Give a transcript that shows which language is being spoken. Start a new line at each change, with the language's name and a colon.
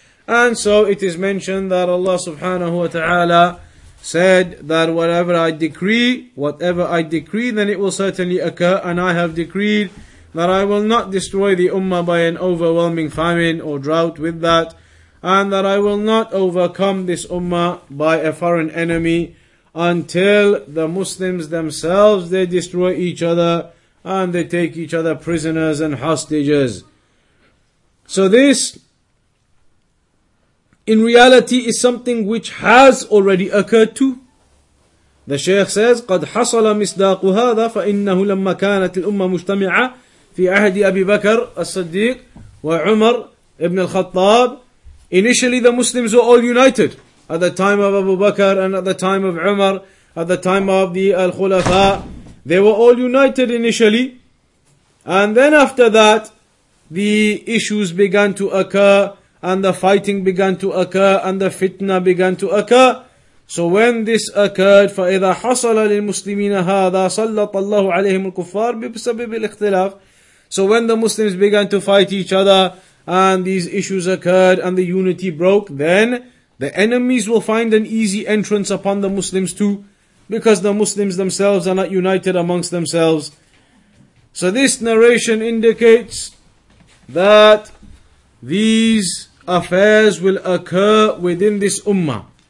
English: And so it is mentioned that Allah subhanahu wa ta'ala said that whatever I decree, then it will certainly occur, and I have decreed that I will not destroy the ummah by an overwhelming famine or drought with that, and that I will not overcome this ummah by a foreign enemy until the Muslims themselves, they destroy each other and they take each other prisoners and hostages. So this, in reality, is something which has already occurred too. The Shaykh says,
Arabic: قَدْ حَصَلَ مِصْدَاقُ هَذَا فَإِنَّهُ لَمَّا كَانَتِ الْأُمَّةُ مُجْتَمِعَةً في عهد أبي بكر الصديق وعمر ابن الخطاب.
English: Initially the Muslims were all united at the time of Abu Bakr and at the time of Umar, at the time of the Al-Khulafa. They were all united initially. And then after that, the issues began to occur and the fighting began to occur and the fitna began to occur. So when this occurred,
Arabic: فَإِذَا حَصَلَ لِلْمُسْلِمِينَ هَذَا صَلَّطَ اللَّهُ عَلَيْهِمُ الْكُفَّارِ بِسَبِبِ الْإِخْتِلَافِ.
English: So when the Muslims began to fight each other and these issues occurred and the unity broke, then the enemies will find an easy entrance upon the Muslims too, because the Muslims themselves are not united amongst themselves. So this narration indicates that these affairs will occur within this ummah.